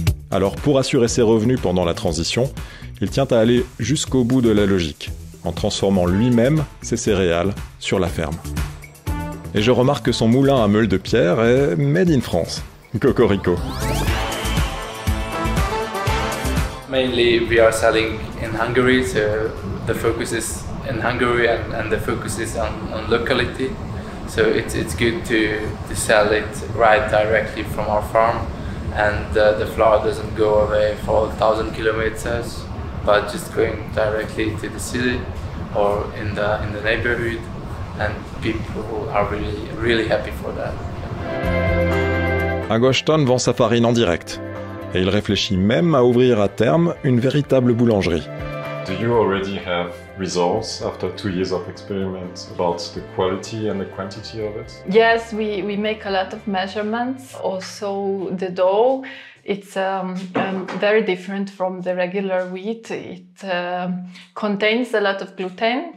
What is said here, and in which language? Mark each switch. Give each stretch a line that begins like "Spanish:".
French: Alors pour assurer ses revenus pendant la transition, il tient à aller jusqu'au bout de la logique, en transformant lui-même ses céréales sur la ferme. Et je remarque que son moulin à meule de pierre est «
English: made in France ».
French: Cocorico.
English: Mainly we are selling in Hungary, so the focus is in Hungary and the focus is on locality. So it's good to sell it right directly from our farm and the flour doesn't go away for 1,000 kilometers but just going directly to the city or in the neighborhood, and people are really really happy for that.
French: À Goshton vend sa farine en direct. Et il réfléchit même à ouvrir à terme une véritable boulangerie.
English: Do you already have results after 2 years of experiments about the quality and the quantity of it? Yes, we make a lot of measurements. Also the dough, it's very different from the regular wheat. It contains a lot of gluten.